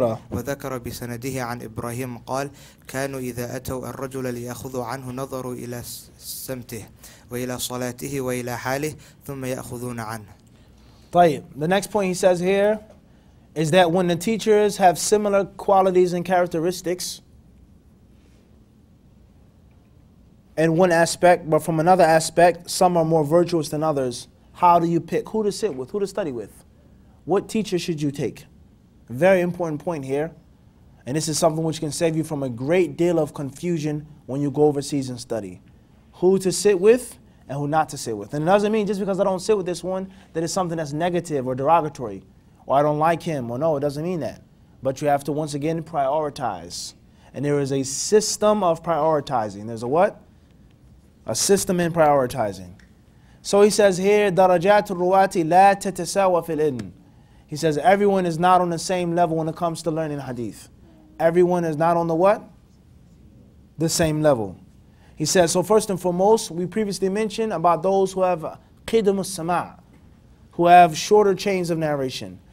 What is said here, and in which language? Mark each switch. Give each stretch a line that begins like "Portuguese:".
Arabic: وذكر بسنده عن إبراهيم قال كانوا إذا أتوا الرجل ليأخذوا عنه نظروا إلى سمته وإلى صلاته وإلى حاله ثم يأخذون عنه.
English: The next point he says here is that when the teachers have similar qualities and characteristics in one aspect, but from another aspect, some are more virtuous than others, how do you pick who to sit with, who to study with? What teacher should you take? Very important point here. And this is something which can save you from a great deal of confusion when you go overseas and study. Who to sit with? And who not to sit with. And it doesn't mean just because I don't sit with this one that it's something that's negative or derogatory or I don't like him or no, it doesn't mean that. But you have to once again prioritize. And there is a system of prioritizing. There's a what? A system in prioritizing.
Arabic: So he says here, درجات الرواتي لا تتساوى في الإذن.
English: He says everyone is not on the same level when it comes to learning hadith. Everyone is not on the what? The same level. He says, so first and foremost, we previously mentioned about those who have qidam al-sama', who have shorter chains of narration.